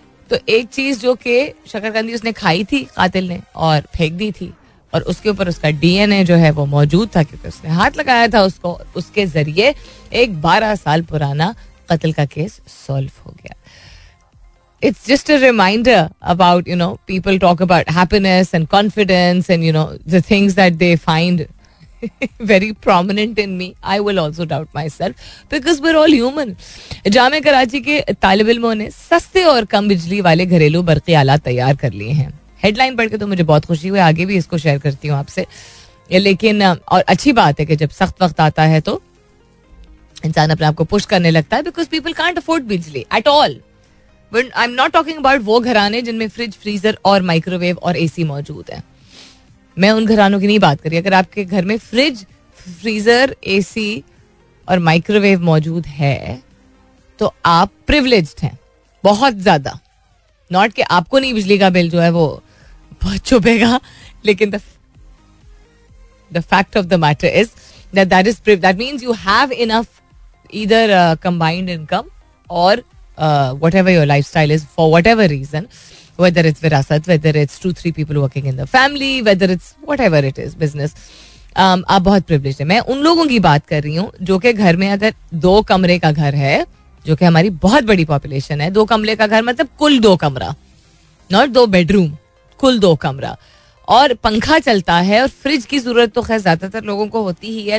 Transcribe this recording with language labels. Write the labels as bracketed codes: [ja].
[hi] तो एक चीज जो कि शक्करकंदी उसने खाई थी कातिल ने और फेंक दी थी, और उसके ऊपर उसका डीएनए जो है वो मौजूद था, क्योंकि उसने हाथ लगाया था उसको, उसके जरिए एक 12 साल पुराना कत्ल का केस सॉल्व हो गया. [en] It's just a reminder about, you know, people talk about happiness and confidence and you know the things that they find very prominent in me. I will also doubt myself because we're all human. [hi] जामे कराची के तालिब इल्मों ने सस्ते और कम बिजली वाले घरेलू बर्की आला तैयार कर लिए हैं. हेडलाइन पढ़ के तो मुझे बहुत खुशी हुई, आगे भी इसको शेयर करती हूँ आपसे. लेकिन और अच्छी बात है कि जब सख्त वक्त आता है तो इंसान अपने आप को पुश करने लगता है, [en] Because people can't afford बिजली at all. But I am not talking about [hi] वो घराने जिनमें फ्रिज, फ्रीजर और माइक्रोवेव और एसी मौजूद है. मैं उन घरानों की नहीं बात कर रही. अगर आपके घर में फ्रिज, फ्रीजर, एसी और माइक्रोवेव मौजूद है तो आप प्रिविलेज्ड हैं बहुत ज्यादा. नॉट कि आपको नहीं बिजली का बिल जो है वो बहुत चुभेगा, लेकिन [en] The fact of the matter is that is प्रिव, that means you have enough either combined income और whatever your lifestyle is for whatever reason. Whether it's virasat, whether it's 2-3 people working in the family, whether it's whatever it is, business. [hi] आप बहुत privileged हैं. मैं उन लोगों की बात कर रही हूँ जो कि घर में, अगर दो कमरे का घर है, जो कि हमारी बहुत बड़ी population है. दो कमरे का घर मतलब कुल दो कमरा, not दो bedroom, कुल दो कमरा. और पंखा चलता है और फ्रिज की जरूरत तो खैर ज्यादातर लोगों को होती ही है.